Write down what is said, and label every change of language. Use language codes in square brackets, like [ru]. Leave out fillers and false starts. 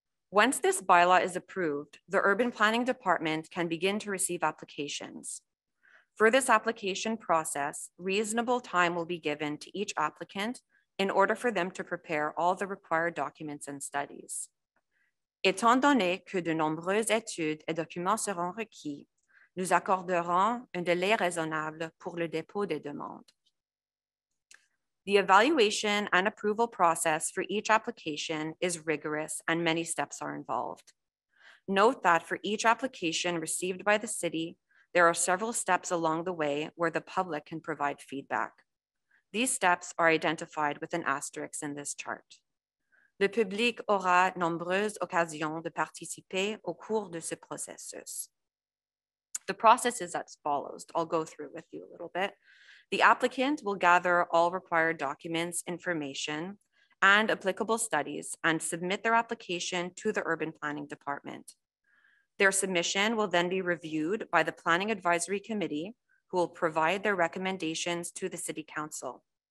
[en] Once this bylaw is approved, the Urban Planning Department can begin to receive applications. For this application process, reasonable time will be given to each applicant in order for them to prepare all the required documents and studies. [fr] Étant donné que de nombreuses études et documents seront requis, nous accorderons un délai raisonnable pour le dépôt des demandes. [en] The evaluation and approval process for each application is rigorous and many steps are involved. Note that for each application received by the city, there are several steps along the way where the public can provide feedback. These steps are identified with an asterisk in this chart. [fr] Le public aura nombreuses occasions de participer au cours de ce processus. [en] The process is as follows. I'll go through with you a little bit. The applicant will gather all required documents, information, and applicable studies and submit their application to the Urban Planning Department. Their submission will then be reviewed by the Planning Advisory Committee, who will provide their recommendations to the City Council.